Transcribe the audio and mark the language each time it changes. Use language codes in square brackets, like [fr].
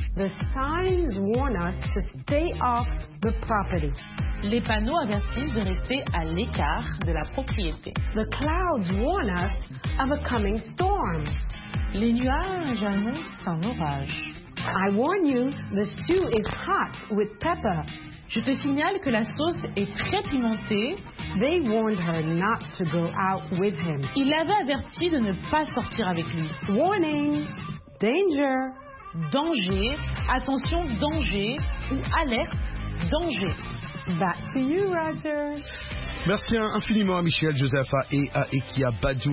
[en] The signs warn us to stay off the property. [fr] Les panneaux avertissent de rester à l'écart de la propriété. [en] The clouds warn us of a coming storm. [fr] Les nuages annoncent un orage. [en] I warn you, the stew is hot with pepper. [fr] Je te signale que la sauce est très pimentée. [en] They warned her not to go out with him. [fr] Il l'avait averti de ne pas sortir avec lui. [en] Warning, [fr] danger, danger, attention, danger, ou alerte, danger. [en] Back to you, Roger. [fr] Merci infiniment à Michel, Joseph et à Ekia Badou.